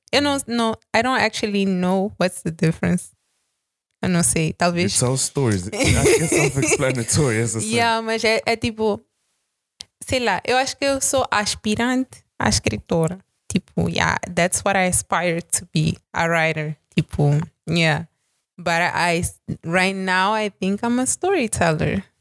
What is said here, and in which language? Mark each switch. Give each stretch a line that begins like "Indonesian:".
Portuguese: Eu não,
English: no, I don't actually know what's the difference.
Portuguese: Eu não sei, talvez.
English: You tell stories. I guess self-explanatory.
Portuguese: Yeah, mas é tipo, sei lá, eu acho que eu sou aspirante à escritora.
English: Tipo, yeah, that's what I aspire to be, a writer. Tipo, yeah. But right now I think I'm a storyteller.